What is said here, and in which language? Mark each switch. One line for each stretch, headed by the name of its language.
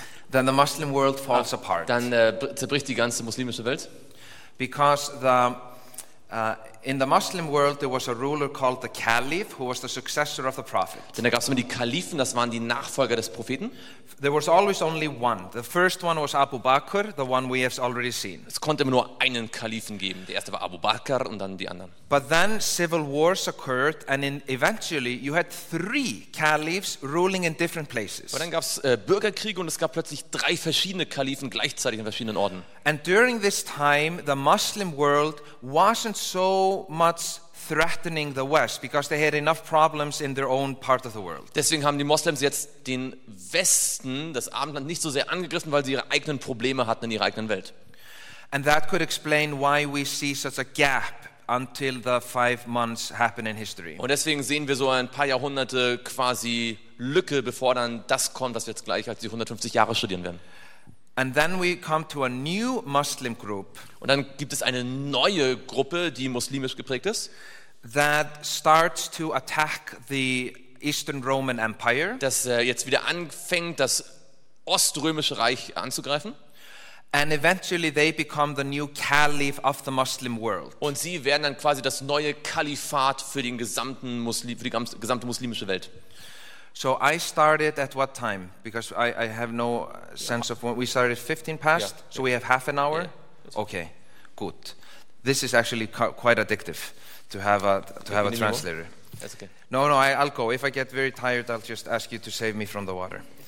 English: Then the Muslim world falls apart.
German: Dann zerbricht die ganze muslimische Welt.
English: Because the In the Muslim world, there was a ruler called the Caliph, who was the successor of the Prophet.
German: Denn da gab es immer die Kalifen, das waren die Nachfolger des Propheten.
English: There was always only one. The first one was Abu Bakr, the one we have already seen.
German: Es konnte immer nur einen Kalifen geben. Der erste war Abu Bakr und dann die anderen.
English: But then civil wars occurred, and eventually you had three caliphs ruling in different places.
German: Aber dann gab es Bürgerkriege und es gab plötzlich drei verschiedene Kalifen gleichzeitig in verschiedenen Orden.
English: And during this time, the Muslim world wasn't so much threatening the West because they had enough problems in their own part of the world.
German: Deswegen haben die Moslems jetzt den Westen, das Abendland, nicht so sehr angegriffen, weil sie ihre eigenen Probleme hatten in ihrer eigenen Welt.
English: And that could explain why we see such a gap until the 5 months happen in history.
German: Und deswegen sehen wir so ein paar Jahrhunderte quasi Lücke, bevor dann das kommt, was wir jetzt gleich als die 150 Jahre studieren werden.
English: And then we come to a new Muslim group.
German: Und dann gibt es eine neue Gruppe, die muslimisch geprägt ist.
English: That starts to attack the Eastern Roman Empire.
German: Das jetzt wieder anfängt, das Oströmische Reich anzugreifen.
English: And eventually they become the new caliph of the Muslim world.
German: Und sie werden dann quasi das neue Kalifat für den gesamten Muslim, für die gesamte muslimische Welt.
English: So I started at what time? Because I have no sense of when. We started 15 past, yeah, so yeah. We have half an hour? Yeah, okay, fine. Good. This is actually quite addictive to have a translator. That's okay. No, I'll go. If I get very tired, I'll just ask you to save me from the water.